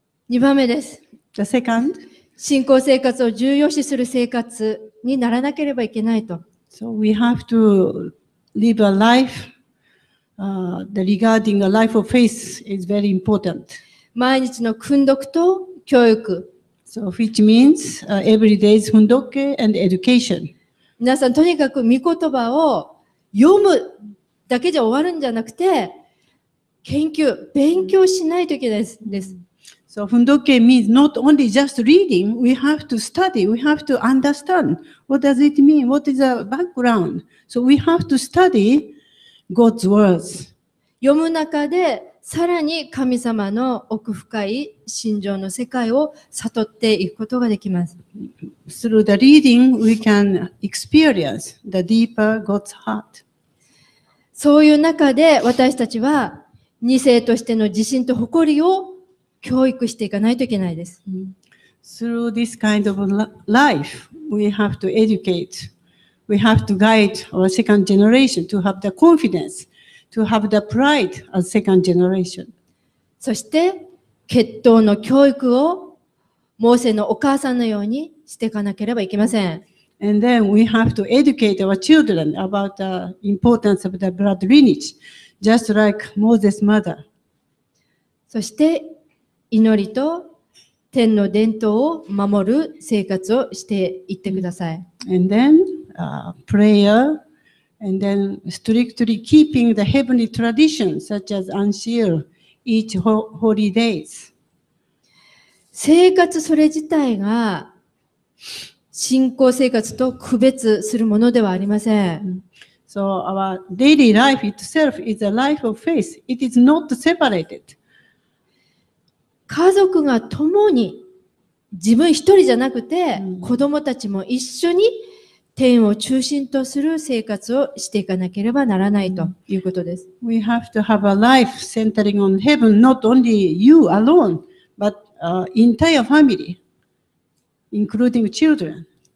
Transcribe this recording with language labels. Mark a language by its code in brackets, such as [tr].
[ja] 2番目です。 [en] The second. [ja] 信仰生活を重要視する生活にならなければいけないと。 [en] So we have to live a life, regarding a life of faith is very important. [ja] 毎日の訓読と教育。 [en] So which means, every day's 訓読 and education. [ja] 皆さんとにかく御言葉を読むだけじゃ終わるんじゃなくて、研究、勉強しないといけないです。 [en] So 訓読 means not only just reading, we have to study, we have to understand. What does it mean? What is the background? So we have to study God's words. [ja] 読む中でさらに神様の奥深い心情の世界を悟っていくことができます。 [en] Through the reading, we can experience the deeper God's heart. [ja] そういう中で私たちは二世としての自信と誇りを教育していかないといけないです。 [en] Through this kind of life, we have to educate. We have to guide our second generation to have the confidence. To have the pride as second generation. [ja] そして血統の教育をモーセのお母さんのようにしていかなければいけません。 [en] And then we have to educate our children about the importance of the blood lineage, just like Moses' mother. [ja] そして祈りと天の伝統を守る生活をしていってください。 [en] And then, prayer. And then strictly keeping the heavenly traditions such as unseal each holy days. [ja] 生活それ自体が信仰生活と区別するものではありません。 [en] So our daily life itself is a life of faith. It is not separated. [ja] 家族が共に自分一人じゃなくて子供たちも一緒に天を中心とする生活をしていかなければならないということです。 [en] We have to have a life centering on heaven, not only you alone, but entire family, including children.